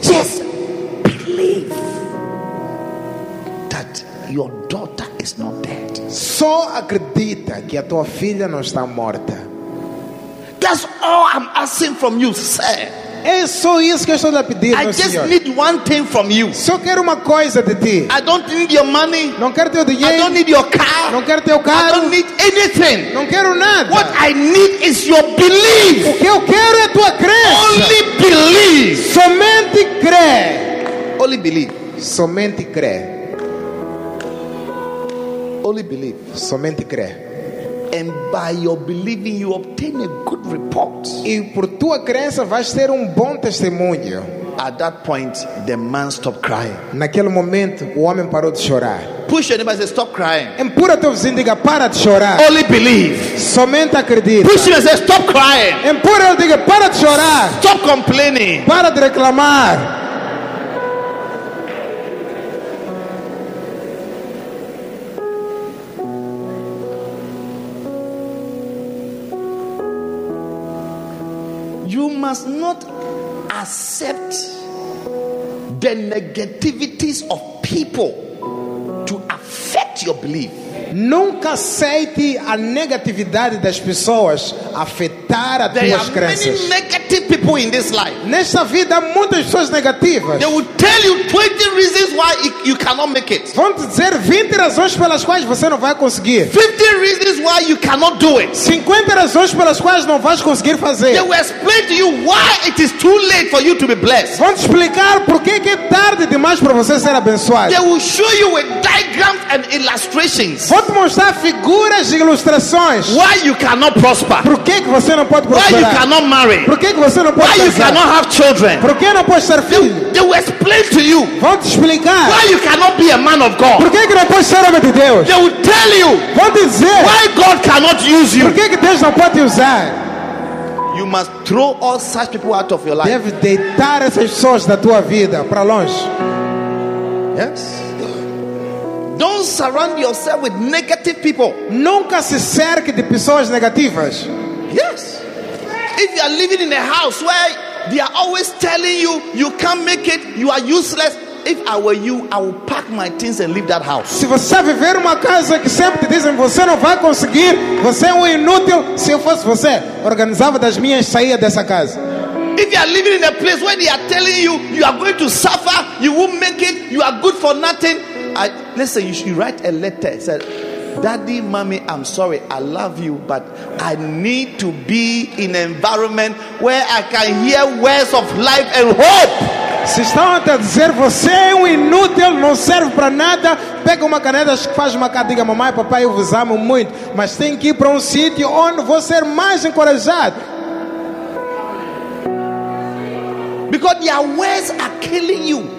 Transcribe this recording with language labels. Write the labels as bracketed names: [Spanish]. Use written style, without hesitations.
[English] Just believe that your daughter is not dead. [Portuguese] Só acredita que a tua filha não está morta. [English] That's all I'm asking from you, sir. [Portuguese] É só isso que eu estou a pedir, [English] I just [Portuguese] senhor. [English] Need one thing from you. [Portuguese] Só quero uma coisa de ti. [English] I don't need your money. [Portuguese] Não quero teu dinheiro. [English] I don't need your car. [Portuguese] Não quero teu carro. [English] I don't need anything. [Portuguese] Não quero nada. [English] What I need is your belief. [Portuguese] O que eu quero é tua crença. [English] Only believe. [Portuguese] Somente crê. [English] Only believe. [Portuguese] Somente crê. [English] Only believe. [Portuguese] Somente crê. [English] And by your believing, you obtain a good report. [Portuguese] E por tua crença vais ter bom testemunho. [English] At that point, the man stopped crying. [Portuguese] Naquele momento, o homem parou de chorar. [English] Push your neighbor and say, stop crying. [Portuguese] Empurra teu vizinho, diga, para de chorar. [English] Only believe. [Portuguese] Somente acredita. [English] Push him and say, stop crying. [Portuguese] Empurra ele, diga, para de chorar. [English] Stop complaining. [Portuguese] Para de reclamar. [English] Must not accept the negativities of people to affect your belief. [Portuguese] Nunca aceite a negatividade das pessoas afetar as tuas crenças. [English] There are many negative people in this life. [Portuguese] Nesta vida há muitas pessoas negativas. [English] They will tell you 20 reasons why you cannot make it. [Portuguese] Vão dizer 20 razões pelas quais você não vai conseguir. [English] 50 reasons why you cannot do it. [Portuguese] 50 razões pelas quais não vais conseguir fazer. [English] They will explain to you why it is too late for you to be blessed. [Portuguese] Vão explicar por que é tarde demais para você ser abençoado. [English] They will show you with diagrams and illustrations. [Portuguese] Vou te mostrar figuras e ilustrações. [English] Why you cannot prosper? [Portuguese] Por que você não pode prosperar? [English] Why you cannot marry? [Portuguese] Por que você não pode [English] Why [Portuguese] casar? [English] You cannot have children? [Portuguese] Por que não pode ser filho? [English] They will explain to you. [Portuguese] Vão te explicar. [English] Why you cannot be a man of God? [Portuguese] Por que não pode ser homem de Deus? [English] They will tell you. [Portuguese] Vão te dizer. [English] Why God cannot use you? [Portuguese] Por que Deus não pode te usar? [English] You must throw all such people out of your life. [Portuguese] Deve deitar essas pessoas da tua vida para longe. [English] Yes. Don't surround yourself with negative people. [Portuguese] Nunca se cerque de pessoas negativas. [English] Yes. If you are living in a house where they are always telling you you can't make it, you are useless. If I were you, I would pack my things and leave that house. [Portuguese] Se você viver uma casa que sempre te dizem você não vai conseguir, você é inútil. Se eu fosse você, organizava das minhas saía dessa casa. [English] If you are living in a place where they are telling you you are going to suffer, you won't make it, you are good for nothing, listen, you should write a letter. Say, Daddy, Mommy, I'm sorry, I love you, but I need to be in an environment where I can hear words of life and hope. [Portuguese] Se estão a dizer você é inútil, não serve para nada, pega uma caneta, faz uma carta, diga mamãe, papai, eu vos amo muito, mas tem que ir para sítio onde vou ser mais encorajado. [English] Because their words are killing you.